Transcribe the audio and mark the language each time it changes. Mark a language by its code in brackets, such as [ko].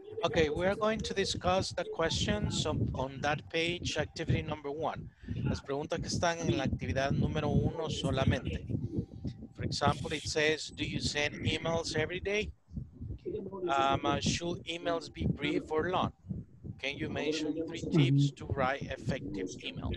[en] Okay, we are going to discuss the questions on that page, activity number one. [es] Las preguntas que están en la actividad número uno solamente. [en] For example, it says, do you send emails every day? Should emails be brief or long? Can you mention three tips to write effective emails?